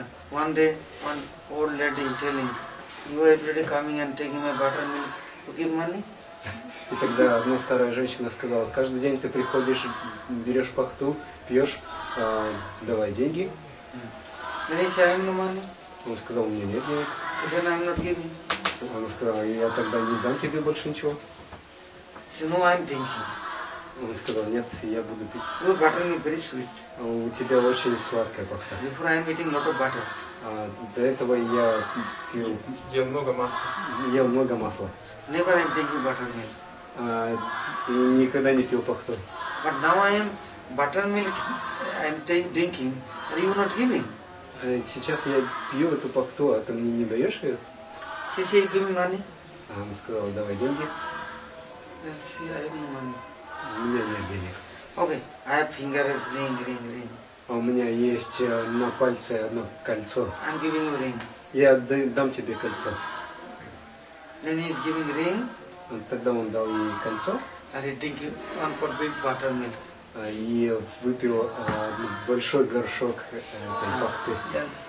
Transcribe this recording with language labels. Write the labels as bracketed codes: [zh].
[en] One day, one old lady telling, you are already coming and taking my buttermilk, you give money? [ru] И тогда одна старая женщина сказала, каждый день ты приходишь, берешь пахту, пьешь, давай деньги. [en] Then he said, I have no money. [ru] Он сказал, у меня нет денег. [en] Then I'm not giving. [ru] Она сказала, я тогда не дам тебе больше ничего. [en] So no, I'm drinking. [ru] Он сказал, нет, я буду пить. [en] Your buttermilk is very sweet. [ru] У тебя очень сладкая пахта. [en] Before I am eating lot of butter. [ru] До этого я пил. Ел много масла. Ел много масла. [en] Never I am drinking buttermilk. [ru] И никогда не пил пахту. [en] But now I am buttermilk, I am drinking, and you are not giving. [ru] Сейчас я пью эту пахту, а ты мне не даешь ее? [en] She said, give me money. [ru] Он сказал, давай деньги. [en] Then she said, I have no money. [ru] У меня нет денег. [en] Okay, I have finger is ring. [ru] у меня есть на пальце одно кольцо. [en] I'm giving you ring. [ru] Я дам тебе кольцо. [en] Then he is giving ring. [ru] Тогда он дал ей кольцо. [en] And he drink one for big buttermilk. [ru] И выпил большой горшок этой бахты.